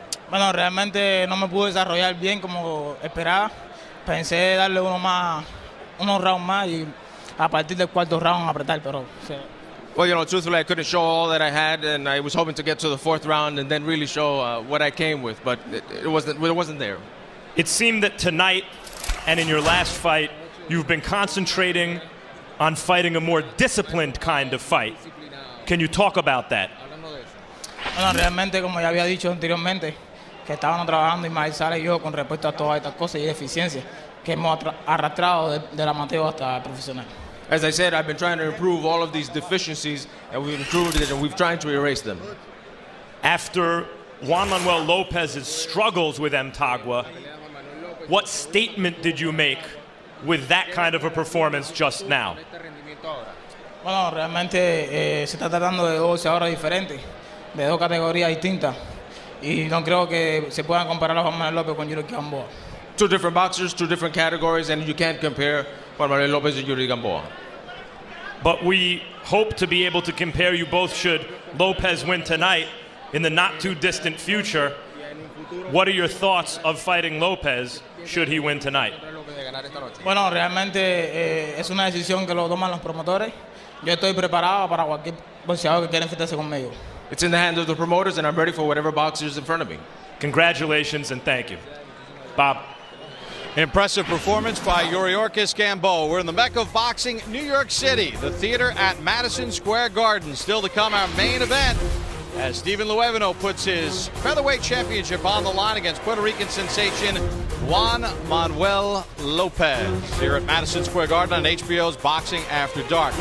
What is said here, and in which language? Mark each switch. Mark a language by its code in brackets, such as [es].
[es] Bueno, realmente no me pude desarrollar bien como esperaba. Pensé darle uno más, unos rounds más, y a partir del cuarto round apretar, pero... [en] Well, you know, truthfully, I couldn't show all that I had, and I was hoping to get to the fourth round and then really show what I came with, but it wasn't there. It seemed that tonight and in your last fight, you've been concentrating on fighting a more disciplined kind of fight. Can you talk about that? [es] Bueno, realmente, como ya había dicho anteriormente, que estaban trabajando y Maizal y yo con respecto a todas estas cosas y eficiencia que hemos arrastrado de la amateur hasta profesional. [en] As I said, I've been trying to improve all of these deficiencies, and we've improved it, and we've tried to erase them. After Juan Manuel Lopez's struggles with Mtagwa, what statement did you make with that kind of a performance just now? [es] Bueno, realmente se está tratando de dos ahora diferentes, de dos categorías distintas, y no creo que se puedan comparar a Juan Manuel Lopez con Yuriorkis Gamboa. [en] Two different boxers, two different categories, and you can't compare Juan Manuel Lopez and Yuriorkis Gamboa. But we hope to be able to compare you both should Lopez win tonight in the not too distant future. What are your thoughts of fighting Lopez should he win tonight? [es] Bueno, realmente es una decisión que lo toman los promotores. Yo estoy preparado para cualquier boxeador que quiera enfrentarse conmigo. [en] It's in the hands of the promoters, and I'm ready for whatever boxer is in front of me. Congratulations and thank you. Bob. Impressive performance by Yuriorkis Gamboa. We're in the Mecca of boxing, New York City, the theater at Madison Square Garden. Still to come, our main event, as Stephen Luevano puts his featherweight championship on the line against Puerto Rican sensation Juan Manuel Lopez here at Madison Square Garden on HBO's Boxing After Dark.